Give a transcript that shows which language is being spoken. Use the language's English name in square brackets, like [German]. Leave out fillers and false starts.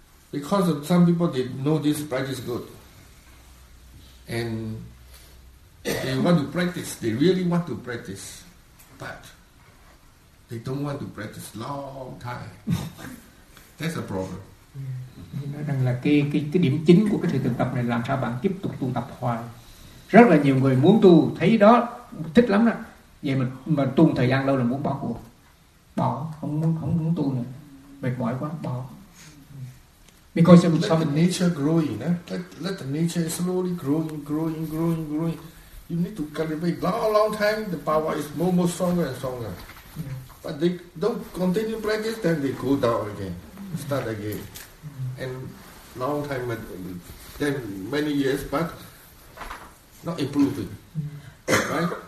[English] Because of some people they know this practice good. And they want to practice, they really want to practice, but they don't want to practice long time. That's a problem. [Vietnamese] Nói rằng là cái điểm chính của cái sự thực tập này làm sao bạn tiếp tục tu tập hoài. Rất là nhiều người muốn tu thấy đó thích lắm đó, vậy mà tu thời gian lâu là muốn bỏ cuộc, bỏ, không muốn tu nữa, mệt mỏi quá bỏ. [English] Because let the nature growing, let the nature slowly growing. You need to cultivate long time. The power is more and more stronger and stronger. Yeah. But they don't continue practice, then they go down again, start again, and long time, then many years, but not improving. Right?